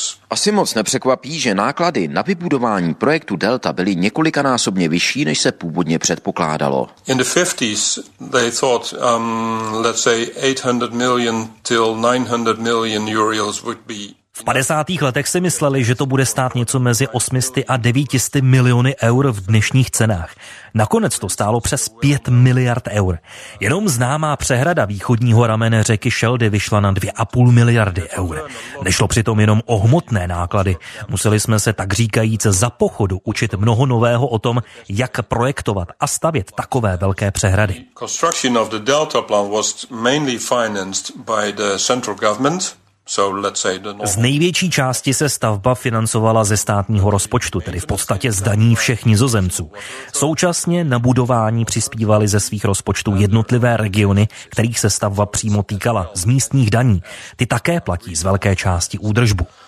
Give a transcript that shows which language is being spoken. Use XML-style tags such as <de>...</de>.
<cs>Asi moc nepřekvapí, že náklady na vybudování projektu Delta byly několikanásobně vyšší, než se původně předpokládalo.</cs> <en>In the 50s they thought let's say 800 million till 900 million euros would be.</en> <cs>V 50. letech si mysleli, že to bude stát něco mezi 800 a 900 miliony eur v dnešních cenách. Nakonec to stálo přes 5 miliard eur. Jenom známá přehrada východního ramene řeky Scheldy vyšla na 2,5 miliardy eur. Nešlo přitom jenom o hmotné náklady. Museli jsme se tak říkajíc za pochodu učit mnoho nového o tom, jak projektovat a stavět takové velké přehrady.</cs> <en>Construction of the Delta plan was mainly financed by the central government.</en> <cs>Z největší části se stavba financovala ze státního rozpočtu, tedy v podstatě z daní všech Nizozemců. Současně na budování přispívali ze svých rozpočtů jednotlivé regiony, kterých se stavba přímo týkala, z místních daní. Ty také platí z velké části údržbu.</cs>